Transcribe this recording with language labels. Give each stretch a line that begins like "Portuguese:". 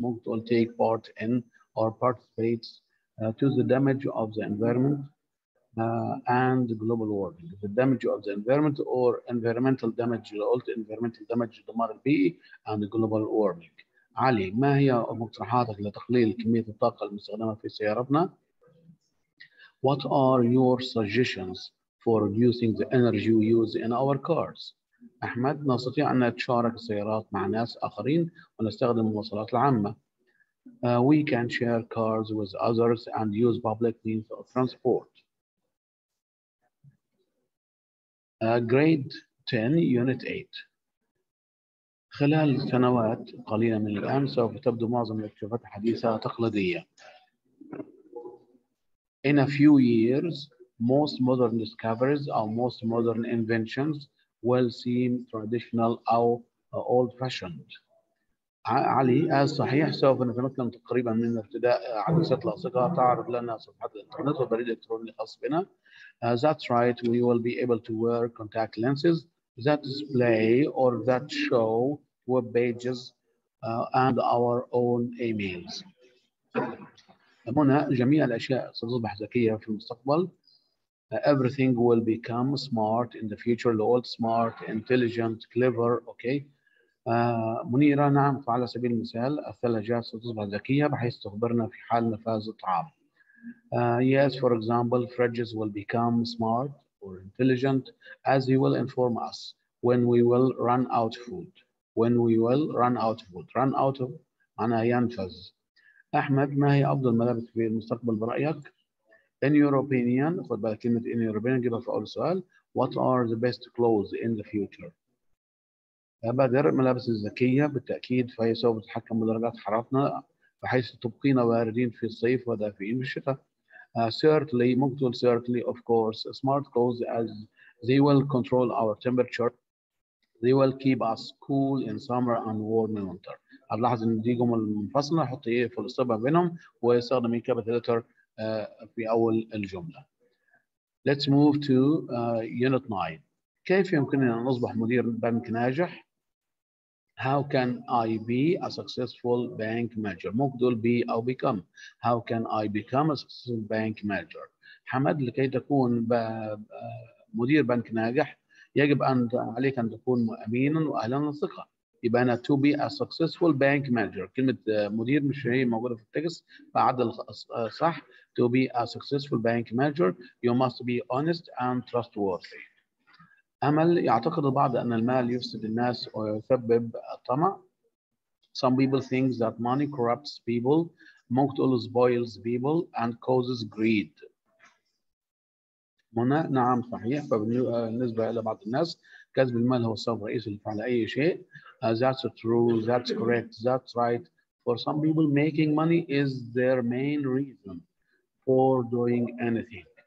English: Multiple take part in or participates to the damage of the environment and global warming. The damage of the environment or environmental damage. The old environmental damage. The MRB and the global warming.
Arabic: علي، ما هي مقترحاتك لتقليل كمية الطاقة المستخدمة في سيارتنا؟
English: What are your suggestions for reducing the energy we use in our cars?
Arabic: أحمد، نستطيع أن نتشارك السيارات مع ناس آخرين ونستخدم المواصلات العامة.
English: We can share cars with others and use public means of transport. Grade 10, Unit 8.
Arabic: خلال سنوات قليلة من الآن سوف تبدو معظم الاكتشافات الحديثة تقليدية.
English: In a few years, most modern discoveries or most modern inventions will seem traditional or old fashioned.
Arabic: علي، صحيح، سوف نتمكن تقريبا من ارتداء عدسات الاصدقاء، تعرف لنا صفحات الانترنت والبريد الالكتروني الخاص بنا.
English: That's right, we will be able to wear contact lenses that display or that show web pages and our own emails.
Arabic: منى، جميع الاشياء ستصبح ذكيه في المستقبل.
English: Everything will become smart in the future. The old smart, intelligent, clever. Okay.
Arabic: منيرة، نعم، فعلى سبيل المثال الثلاجات ستصبح ذكية بحيث تخبرنا في حال نفاذ الطعام.
English: Yes, for example, fridges will become smart or intelligent as they will inform us when we will run out food. When we will run out food. Run out of
Arabic: معناها ينفذ. أحمد، ما هي أفضل الملابس في المستقبل برأيك؟
English: In your opinion,
Arabic: خذ بالك كلمة
English: in your opinion
Arabic: جيبها في أول سؤال.
English: What are the best clothes in the future?
Arabic: بدر، الملابس الذكية بالتأكيد، فهي سوف تتحكم بدرجات حرارتنا بحيث تبقينا واردين في الصيف ودافئين في الشتاء.
English: Certainly,
Arabic: ممكن تقول
English: certainly, of course, smart clothes as they will control our temperature. They will keep us cool in summer and warm in winter.
Arabic: هتلاحظ إن دي جمل منفصلة، حط إيه في الأصابع بينهم ويستخدم إيه كابيتال ليتر في أول الجملة.
English: Let's move to unit 9.
Arabic: كيف يمكنني أن أصبح مدير بنك ناجح؟
English: How can I be a successful bank manager?
Arabic: ممكن تقول be أو become.
English: How can I become a successful bank manager?
Arabic: حمد، لكي تكون مدير بنك ناجح يجب أن عليك أن تكون أمينا وأهلا للثقة. يبقى أنا
English: to be a successful bank manager،
Arabic: كلمة مدير مش هي موجودة في التكست، بعد صح.
English: To be a successful bank manager, you must be honest and trustworthy.
Arabic: أمل، يعتقد البعض أن المال يفسد الناس ويسبب الطمع.
English: Some people think that money corrupts people, mostly spoils people and causes greed.
Arabic: منى، نعم صحيح، بالنسبة لبعض الناس كسب المال هو السبب الرئيسي لفعل أي شيء.
English: That's true, that's correct, that's right. For some people, making money is their main reason for doing anything.